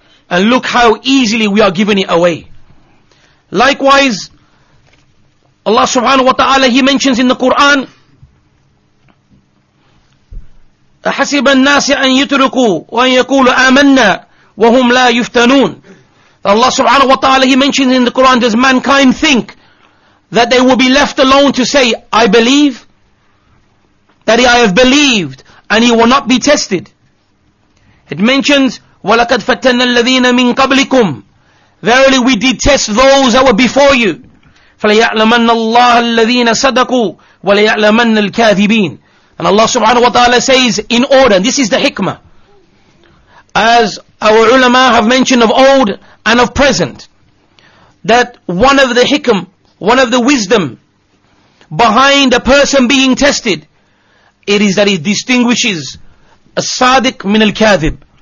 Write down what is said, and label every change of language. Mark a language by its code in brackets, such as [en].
[en] And look how easily we are giving it away. Likewise, Allah subhanahu wa ta'ala, He mentions in the Quran, [ar] أَحَسِبَ النَّاسِ أَن يُتْرُكُوا وَأَن يَقُولُ آمَنَّا وَهُمْ لَا يُفْتَنُونَ. [en] Allah subhanahu wa ta'ala, He mentions in the Quran, does mankind think that they will be left alone to say, I believe, that I have believed, and he will not be tested? It mentions, [ar] وَلَكَدْ فَتَّنَّ الَّذِينَ مِنْ قَبْلِكُمْ. [en] Verily we did test those that were before you. [ar] فَلَيَعْلَمَنَّ اللَّهَ الَّذِينَ صَدَقُوا وَلَيَعْلَمَنَّ الْكَاذِبِينَ. [en] And Allah subhanahu wa ta'ala says, in order, and this is the hikmah, as our ulama have mentioned of old and of present, that one of the hikm, one of the wisdom behind a person being tested, it is that it distinguishes a sadiq min al-kathib.